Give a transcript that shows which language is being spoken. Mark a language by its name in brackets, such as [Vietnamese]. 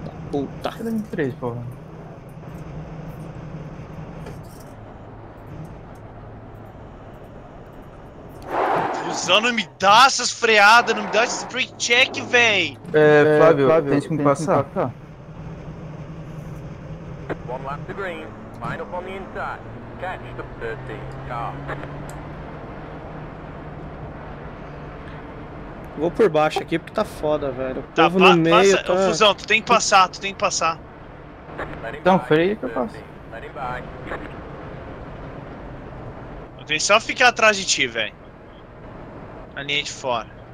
[Portuguese] Puta. Cadê o 3, porra? Fusão. Só não me dá essas freadas, não me dá esse brake check, véi! Flávio, tente me passar. Tá. [English] One lap to green, line up on the inside, catch the 13 car. [Portuguese] Vou por baixo aqui porque tá foda, velho. O tá, povo no meio, passa. Tá... Fusão, tu tem que passar, tu tem que passar. Então, freio que eu passo. Tem só ficar atrás de ti, velho. A linha de fora.